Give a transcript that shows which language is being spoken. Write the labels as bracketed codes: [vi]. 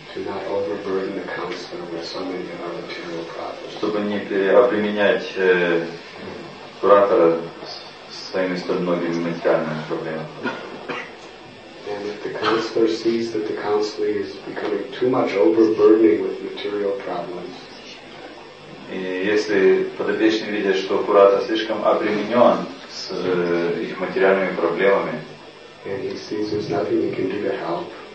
[en] To not overburden the counselor with so many of our material problems. [ru] Чтобы не переобременять куратора своими столь многими материальными проблемами. [en] And if the counselor sees that the counselee is becoming too much overburdening with material problems. [ru] И если подопечный видит, что куратор слишком обременен с их материальными проблемами, [en] and he sees there's nothing he can do to help.